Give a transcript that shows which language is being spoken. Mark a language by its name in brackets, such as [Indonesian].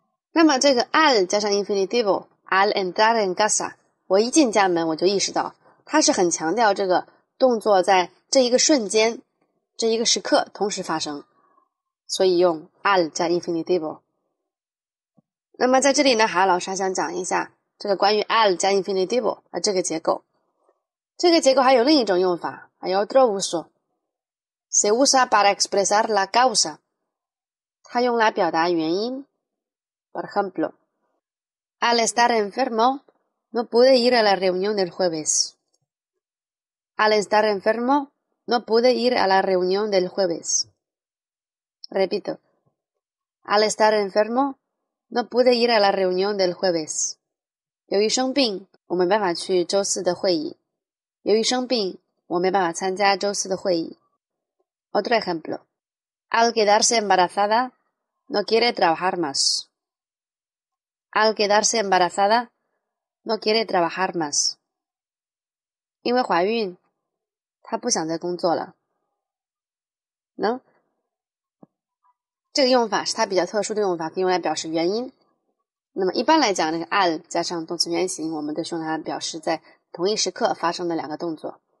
[Chinese] 那么这个 al 加上 infinitivo [Spanish] al entrar en casa， [Chinese] 我一进家门我就意识到，它是很强调这个动作在这一个瞬间，这一个时刻同时发生，所以用 al 加 infinitivo。那么在这里呢，海老师还想讲一下这个关于 al 加 infinitivo 的这个结构。这个结构还有另一种用法， [Spanish] hay otro uso. Se usa para expresar la causa. [Chinese] 它用来表达原因。 [Spanish] Por ejemplo, al estar enfermo, No pude ir a la reunión del jueves. Al estar enfermo, no pude ir a la reunión del jueves. Repito. Al estar enfermo, no pude ir a la reunión del jueves. [Chinese] 由于生病，我没办法去周四的会议。由于生病，我没办法参加周四的会议。 [Spanish] Otro ejemplo. Al quedarse embarazada, no quiere trabajar más. Al quedarse embarazada, no quiere trabajar más. [Chinese] 因为怀孕，她不想再工作了。能？这个用法是它比较特殊的用法，可以用来表示原因。那么一般来讲，那个 al 加上动词原形，我们都是用它表示在同一时刻发生的两个动作。